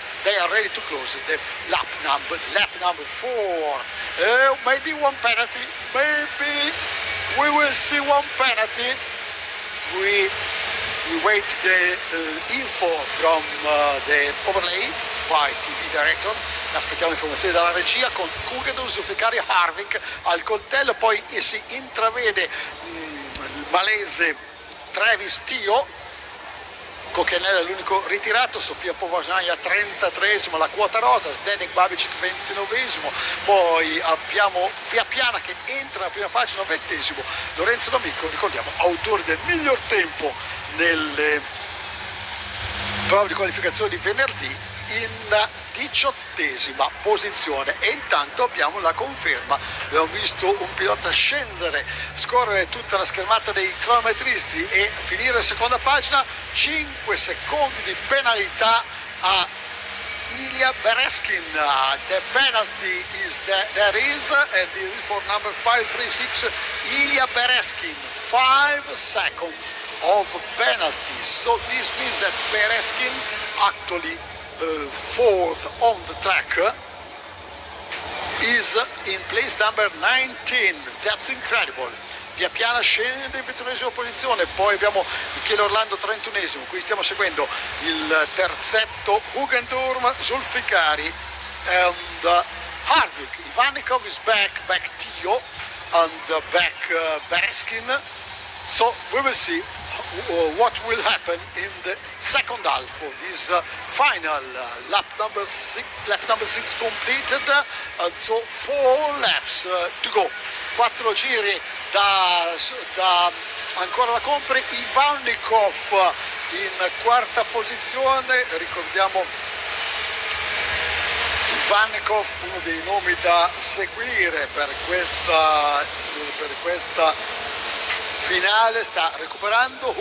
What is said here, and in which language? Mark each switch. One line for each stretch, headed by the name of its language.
English: They are ready to close the lap number 4. Maybe one penalty. Maybe we will see one penalty. We wait the info from the overlay by TV director.
Italian: Aspettiamo informazioni dalla regia con Hugo, Zulfikari, Harvick al coltello. Poi si intravede malese Travis Tio, Cocchianella è l'unico ritirato, Sofia Povajnaya 33esima, la quota rosa, Zdenek Babicic 29esimo, poi abbiamo Via Piana che entra alla prima pagina 20esimo, Lorenzo D'Amico, ricordiamo, autore del miglior tempo nelle prove di qualificazione di venerdì, in 18esima posizione. E intanto abbiamo la conferma, abbiamo visto un pilota scendere, scorrere tutta la schermata dei cronometristi e finire seconda pagina, 5 secondi di penalità a Ilia Bereskin.
English: The penalty is there is, and it is for number 536 Ilia Bereskin, 5 seconds of penalty, so this means that Bereskin actually fourth on the track. is in place number 19. That's incredible.
Italian: Via piana scende in 21esima posizione, poi abbiamo Michele Orlando 31esimo, qui stiamo seguendo il terzetto Hugendurm, Zulfikari and Harvick.
English: Ivanikov is back Tio and back Bereskin. So we will see what will happen in the second half of this final. Lap number six completed, and so four laps to go.
Italian: Quattro giri da ancora da compiere. Ivanikov in quarta posizione, ricordiamo Ivanikov, uno dei nomi da seguire per questa finale, sta recuperando.